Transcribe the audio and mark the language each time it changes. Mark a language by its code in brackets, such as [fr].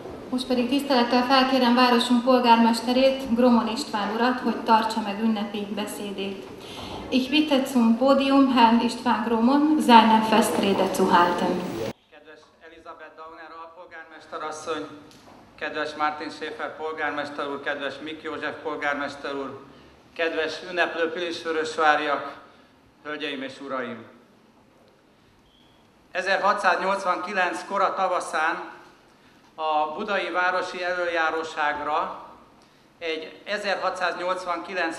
[hu] Most pedig tisztelettel felkérem városunk polgármesterét, Gromon István urat, hogy tartsa meg ünnepi beszédét. [de] Ich bitte zum Podium Herrn István Gromon, seine Festrede zu halten. [hu] Kedves Elisabeth Dauner alpolgármester asszony, kedves Martin Schäfer polgármester úr, kedves Mik József polgármester úr, kedves ünneplő pilisvörösváriak, hölgyeim és uraim! 1689 kora tavaszán a budai városi elöljáróságra egy 1689.